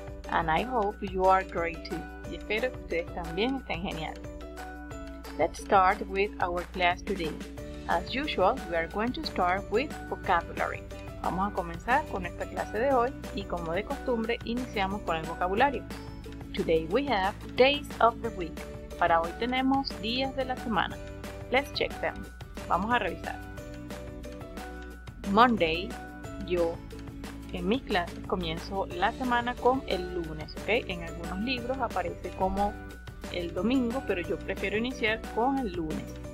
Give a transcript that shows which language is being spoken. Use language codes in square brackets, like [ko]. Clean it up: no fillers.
[en] And I hope you are great too. [es] Y espero que ustedes también estén genial. [en] Let's start with our class today. As usual, we are going to start with vocabulary. [es] Vamos a comenzar con esta clase de hoy y como de costumbre, iniciamos con el vocabulario. [en] Today we have days of the week. [es] Para hoy tenemos días de la semana. [en] Let's check them. [es] Vamos a revisar. [en] Monday, yo. [es] En mis clases comienzo la semana con el lunes, ¿ok? En algunos libros aparece como el domingo, pero yo prefiero iniciar con el lunes.